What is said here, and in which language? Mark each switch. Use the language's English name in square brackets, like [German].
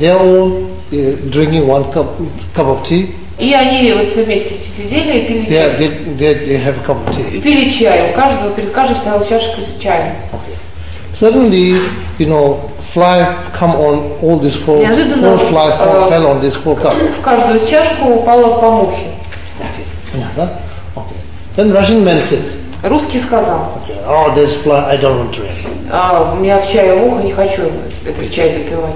[English] They are all drinking one cup of tea. [Russian] И они вот все вместе сидели и пили чай. [English] They have a cup of tea. [Russian] И пили чай. У каждого перед каждым стояла чашка с чаем. [English] Okay. Suddenly, you know, fly come on all these four. [Russian] Неожиданно [English] four fly fell on this four cup. [Russian] В каждую чашку упала по мухе. [English] Okay. Then Russian man says. [Russian] Русский сказал. [English] Okay. Oh, this fly, I don't want to drink. [Russian] У меня в чае ухо, не хочу этот чай допивать.